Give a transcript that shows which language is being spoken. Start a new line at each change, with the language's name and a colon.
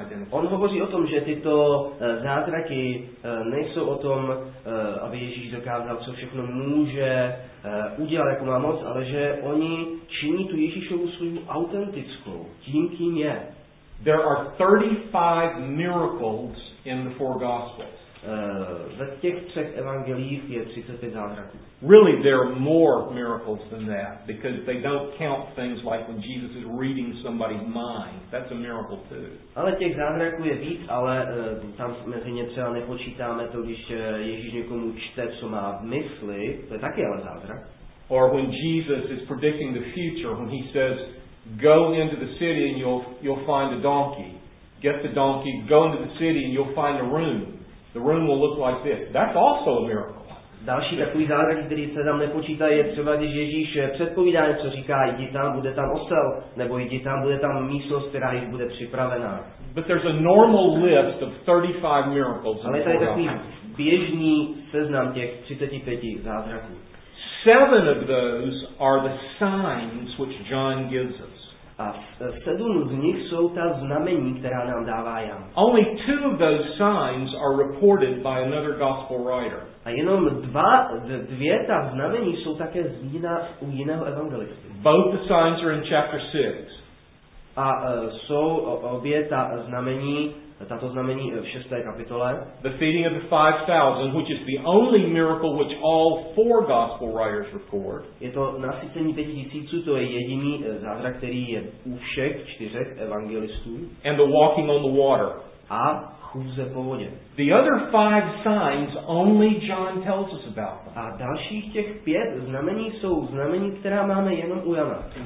Czech: On hovoří o tom, že tyto zázraky nejsou o tom, aby Ježíš dokázal, co všechno může udělat, jako má moc, ale že oni činí tu Ježíšovu svou autentickou, tím, kým je.
English: There are 35 miracles in the four gospels.
Czech: Ve těch třech evangeliích je 35 zázraků.
English: Really, there are more miracles than that because they don't count things like when Jesus is reading somebody's mind. That's a miracle too.
Czech: Ale těch zázraků je víc, ale tam mezi ně třeba nepočítáme to, když Ježíš někomu čte, co má v mysli. To je taky ale zázrak.
English: Or when Jesus is predicting the future, when he says, "Go into the city and you'll find a donkey. Get the donkey. Go into the city and you'll find a room." The room will look like this. That's also a miracle.
Czech: Další takový zázrak, který se tam nepočítá, je třeba, když Ježíš předpovídá něco, říká, jdi tam, bude tam osel, nebo jdi tam, bude tam místnost, která jí bude připravená.
English: But there's a normal list of 35 miracles.
Czech: Ale tady je takový běžný seznam těch 35 zázraků.
English: Seven of those are the signs which John gives us.
Czech: A sedm z nich jsou ta znamení, která nám dává Jan.
English: Only two of those signs are reported by another gospel writer.
Czech: A jenom dvě ta znamení jsou také z u jiného evangelisty.
English: Both the signs are in chapter 6.
Czech: A jsou obě ta znamení, tato znamení v 6. kapitole.
English: The feeding of the 5,000, which is the only miracle which all four gospel writers record.
Czech: Je to nasycení 5,000, to je jediný zázrak, který je u všech čtyřech evangelistů.
English: And the walking on the water.
Czech: A chůze po vodě.
English: The other five signs only John tells us about.
Czech: A dalších těch pět znamení jsou znamení, která máme jenom u Jana.